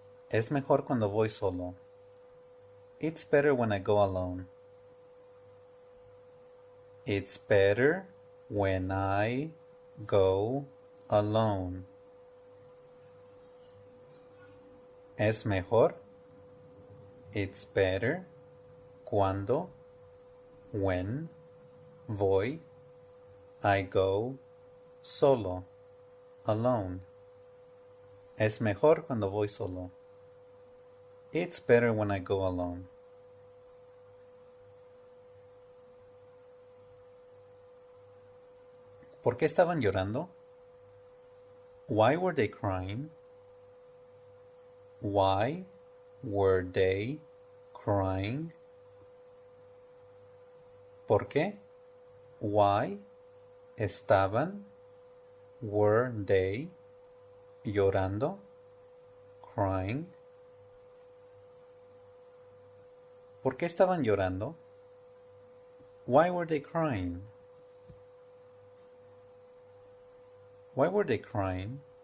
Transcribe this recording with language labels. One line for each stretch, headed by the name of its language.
Spanish: Es mejor cuando voy solo.
English: It's better when I go alone. It's better when I go alone.
Spanish: Es mejor.
English: It's better
Spanish: cuando,
English: when,
Spanish: voy,
English: I go
Spanish: solo,
English: alone.
Spanish: Es mejor cuando voy solo.
English: It's better when I go alone.
Spanish: ¿Por qué estaban llorando?
English: Why were they crying? Why were they crying?
Spanish: ¿Por qué?
English: Why
Spanish: estaban,
English: were they
Spanish: llorando,
English: crying?
Spanish: ¿Por qué estaban llorando?
English: Why were they crying? Why were they crying?